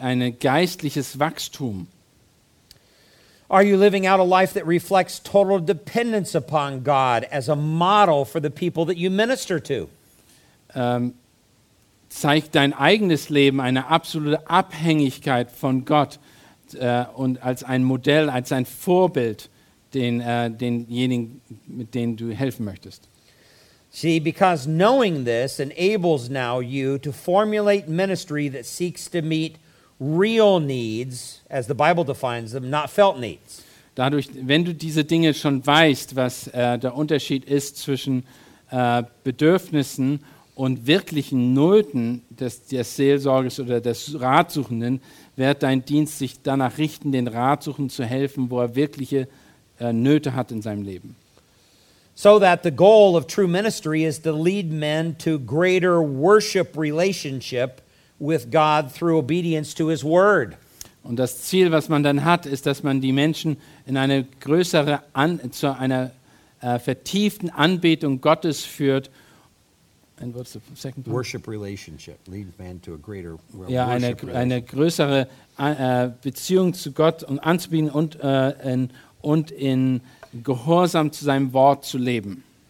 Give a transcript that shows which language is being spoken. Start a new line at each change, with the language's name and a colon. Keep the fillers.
German: ein geistliches Wachstum? Ähm, zeigt dein eigenes Leben eine absolute Abhängigkeit von Gott äh, und als ein Modell, als ein Vorbild den, äh, denjenigen, mit denen du helfen möchtest?
English: See, because knowing this enables now you to formulate ministry that seeks to meet real needs, as the Bible defines them, not felt needs.
German: Dadurch, wenn du diese Dinge schon weißt, was äh, der Unterschied ist zwischen äh, Bedürfnissen und wirklichen Nöten des, des, Seelsorges oder des Ratsuchenden, wird dein Dienst sich danach richten, den Ratsuchenden zu helfen, wo er wirkliche äh, Nöte hat in seinem Leben.
English: so that the goal of true ministry is to lead men to greater worship relationship with God through obedience to his word.
German: Und das Ziel, was man dann hat, ist, dass man die Menschen in eine größere an, zu einer uh, vertieften Anbetung Gottes führt.
English: And what's the second one? worship relationship lead man to a greater relationship. Well,
German: ja, eine,
English: relationship.
German: eine größere äh, uh, Beziehung zu Gott und um anzubieten und uh, in, und in gehorsam zu seinem Wort zu leben.